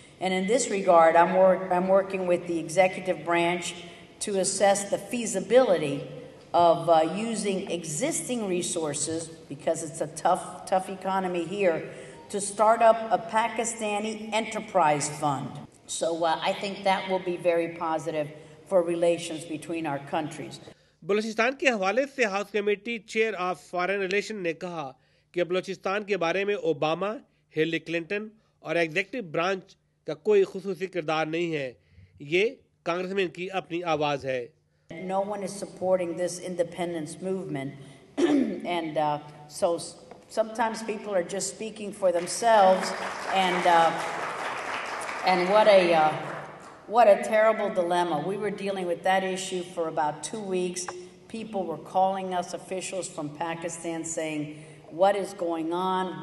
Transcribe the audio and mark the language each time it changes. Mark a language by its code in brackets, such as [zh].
[en] And in this regard, I'm working with the executive branch to assess the feasibility of using existing resources, because it's a tough economy here, to start up a Pakistani enterprise fund. So I think that will be very positive for relations between our countries. [ur] Balochistan کے حوالے سے [en] house committee chair of foreign relation [ur] نے کہا کہ بلوچستان کے بارے میں Obama, Hillary Clinton اور ایگزیکٹو برانچ کا کوئی خصوصی کردار نہیں ہے، یہ کانگریس مین کی اپنی آواز ہے. [en] No one is supporting this independence movement and so sometimes people are just speaking for themselves and what a terrible dilemma. We were dealing with that issue for about 2 weeks. People were calling us, officials from Pakistan, saying, what is going on?